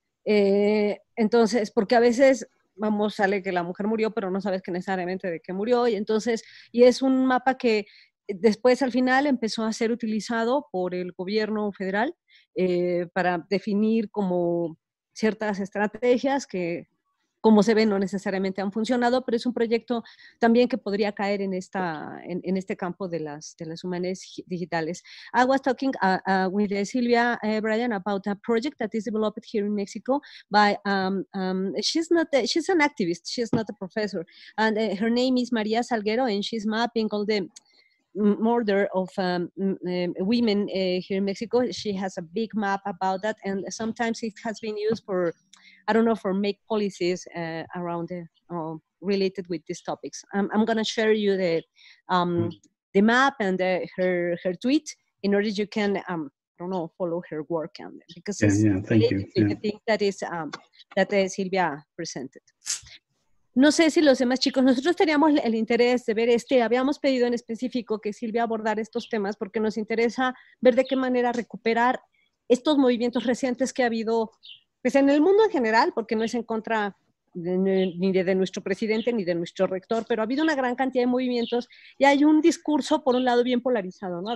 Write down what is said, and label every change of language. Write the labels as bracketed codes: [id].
[es] Entonces, porque a veces, vamos, sale que la mujer murió, pero no sabes que necesariamente de qué murió, y es un mapa que después al final empezó a ser utilizado por el gobierno federal para definir como ciertas estrategias que, como se ve, no necesariamente han funcionado, pero es un proyecto también que podría caer en esta, en este campo de las humanidades digitales. [en] I was talking with Silvia Bryan about a project that is developed here in Mexico by she's an activist, she's not a professor, and her name is María Salguero, and she's mapping all the murder of women here in Mexico. She has a big map about that, and sometimes it has been used for, I don't know, for make policies around related with these topics. I'm gonna share you the map and her tweet in order you can follow her work, and because yeah, thank you. Yeah. I think that is Silvia presented. [es] No sé si los demás chicos, nosotros teníamos el interés de ver habíamos pedido en específico que Silvia abordara estos temas porque nos interesa ver de qué manera recuperar estos movimientos recientes que ha habido, pues en el mundo en general, porque no es en contra ni de nuestro presidente ni de nuestro rector, pero ha habido una gran cantidad de movimientos y hay un discurso, por un lado, bien polarizado, ¿no?